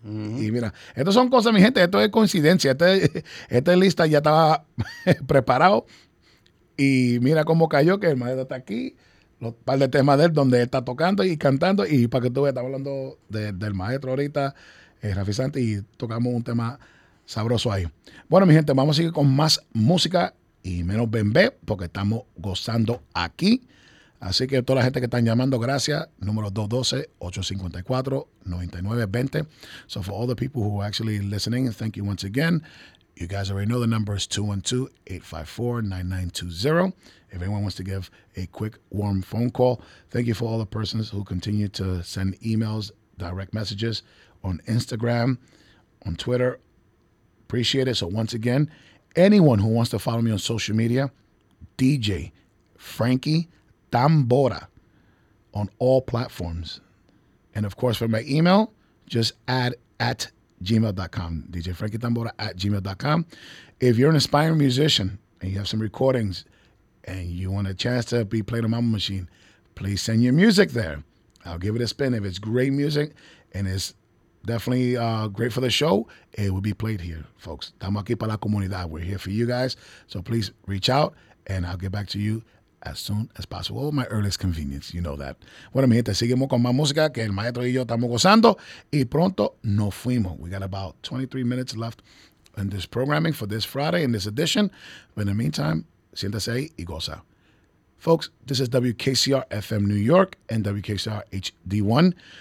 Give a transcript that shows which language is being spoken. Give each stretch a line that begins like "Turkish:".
Spanish: Uh-huh. Y mira, estas son cosas, mi gente, esto es coincidencia. Esta lista ya estaba preparado y mira cómo cayó que el maestro está aquí, los par de temas de él donde está tocando y cantando, y para que tú veas, estamos hablando del maestro ahorita, Rafi Santi, y tocamos un tema sabroso ahí. Bueno, mi gente, vamos a seguir con más música y menos bembé, porque estamos gozando aquí. Así que toda la gente que están llamando, gracias. Número 212-854-9920.
English: So for all the people who are actually listening, thank you once again. You guys already know the number is 212-854-9920. If anyone wants to give a quick, warm phone call, thank you for all the persons who continue to send emails, direct messages on Instagram, on Twitter. Appreciate it. So once again, anyone who wants to follow me on social media, DJ Frankie Tambora on all platforms. And of course, for my email, just add at gmail.com, DJ Frankie Tambora at gmail.com. If you're an aspiring musician and you have some recordings and you want a chance to be played on Mambo Machine, please send your music there. I'll give it a spin. If it's great music and it's definitely great for the show, it will be played here, folks.
Spanish: Estamos aquí para la comunidad.
English: We're here for you guys. So please reach out, and I'll get back to you as soon as possible. Well, my earliest convenience, you know that.
Spanish: Bueno, mi gente, seguimos con más música que el maestro y yo estamos gozando. Y pronto nos fuimos.
English: We got about 23 minutes left in this programming for this Friday, in this edition. But in the meantime,
Spanish: siéntase ahí y goza.
English: Folks, this is WKCR FM New York and WKCR HD1.